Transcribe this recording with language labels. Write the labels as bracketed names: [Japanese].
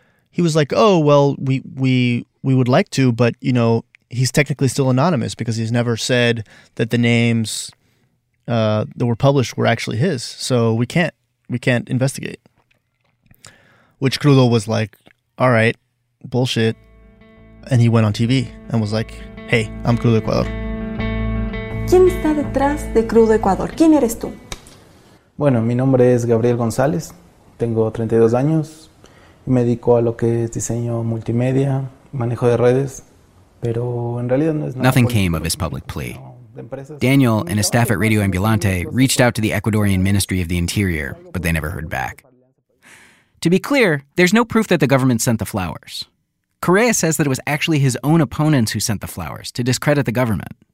[English] He was like, oh, well, we would like to, but, you know, he's technically still anonymous because he's never said that the names that were published were actually his. So we can't investigate. Which Crudo was like, all right, bullshit. And he went on TV and was like, hey, I'm Cruz de Ecuador. [Spanish] ¿Quién está detrás de Cruz de Ecuador? ¿Quién eres tú? Bueno, mi nombre es Gabriel González. Tengo 32 años. Me dedico a lo que es diseño multimedia, manejo de redes, pero en realidad no es nada. [English] Nothing came of his public plea. Daniel and his staff at Radio Ambulante reached out to the Ecuadorian Ministry of the Interior, but they never heard back. To be clear, there's no proof that the government sent the flowers. Correa says that it was actually his own opponents who sent the flowers to discredit the government.